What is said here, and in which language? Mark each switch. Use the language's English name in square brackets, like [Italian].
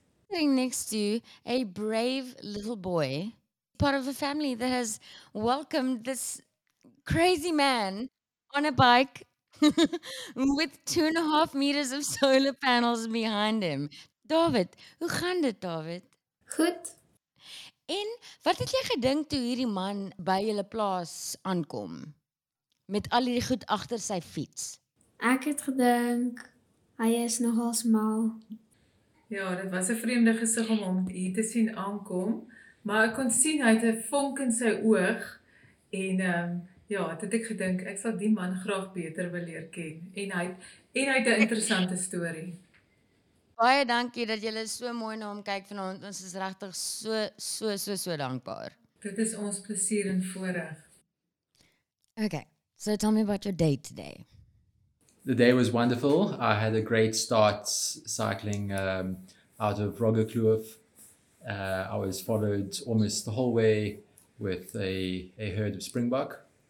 [English] Sitting next to you, a brave little boy, part of a family that has welcomed this crazy man on a bike with 2.5 meters of solar panels behind him. [Afrikaans] David, hoe gaan dit, David? Goed. En wat het jy gedink toe hierdie man by julle plaas aankom met al die goed agter sy fiets? Ek het gedink hy is nogal smal. Ja, dit was 'n vreemde gesig om hom hier te sien aankom, maar ek kon sien hy het 'n vonk in sy oog en ja, dit het ek gedink ek sal die man graag beter wil leer ken en hy het 'n interessante storie. Baie dankie dat julle so mooi na hom kyk vanaand. Ons is regtig so dankbaar. Dit is ons plesier en voorreg. [English] Okay, so tell me about your day today. The day was wonderful. I had a great start cycling out of Roggekloof. I was followed almost the whole way with a herd of springbok.